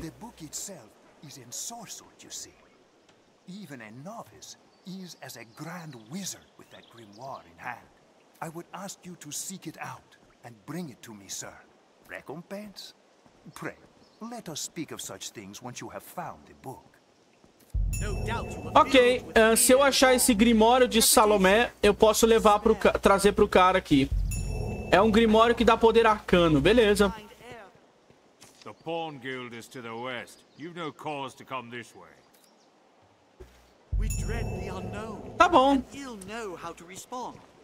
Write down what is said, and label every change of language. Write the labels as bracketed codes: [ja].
[en] The book itself is ensorcelled, you see. Even a novice is as a grand wizard with that grimoire in hand. I would ask you to seek it out and bring it to me, sir. Recompense? Pray. Let us speak of such things once you have found the book. [pt] Ok, se eu achar esse grimório de Salomé, eu posso levar pro trazer pro cara aqui. É um grimório que dá poder arcano, beleza. [en] The pawn guild is to the west. You've no cause to come this way. We dread the unknown. [pt] Tá bom. [en] He'll know how to respond.